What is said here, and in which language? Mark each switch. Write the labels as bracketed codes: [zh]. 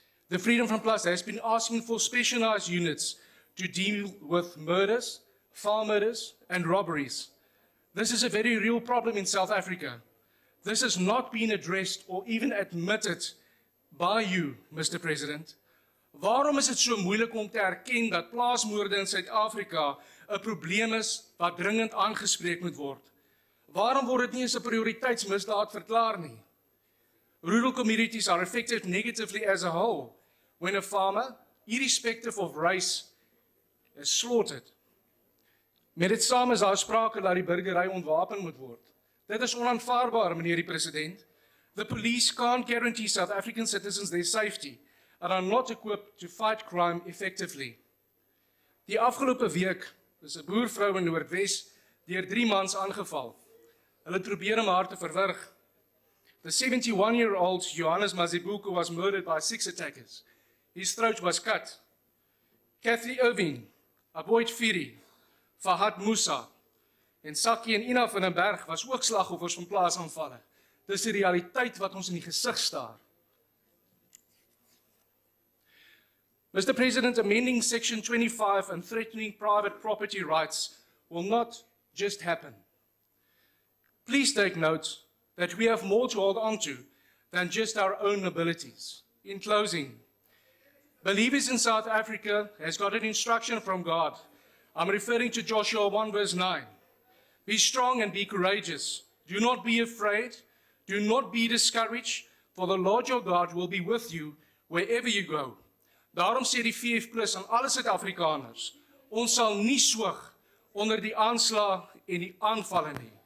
[en] The Freedom Front Plus has been asking for specialized units to deal with murders, farm murders, and robberies. This is a very real problem in South Africa. This has not been addressed or even admitted by you, Mr. President. [af] Waarom is dit so moeilik om te erken dat plaasmoorde in Suid-Afrika 'n probleem is wat dringend aangespreek moet word? Waarom word dit nie as 'n prioriteitsmisdaad verklaar nie? [en] Rural communities are affected negatively as a whole when a farmer, irrespective of race, is slaughtered. [af] Met dit saam is daar sprake dat die burgery ontwapen moet word. Dit is onaanvaarbaar, meneer die president. [en] The police can't guarantee South African citizens their safety and are not equipped to fight crime effectively. [af] Die afgelope week is 'n boervrou in Noordwes deur 3 mans aangeval. Hulle probeer om haar te verwrig. [en] The 71-year-old Johannes Mazibuko was murdered by 6 attackers. His throat was cut. Kathy Irving, Aboyd Firi, Fahad Musa, and Saki and Ina van den Berg was [af] ook slagoffers van plaasaanvallen. Dis die realiteit wat ons in die gesig staar. [en] Mr. President, amending Section 25 and threatening private property rights will not just happen. Please take note that we have more to hold on to than just our own abilities. In closing, believers in South Africa has got an instruction from God. I'm referring to Joshua 1 verse 9. Be strong and be courageous. Do not be afraid. Do not be discouraged, for the Lord your God will be with you wherever you go. [af] Daarom sê die VF Plus aan alle Suid-Afrikaners, ons sal nie swyg onder die aanslag en die aanvalle nie.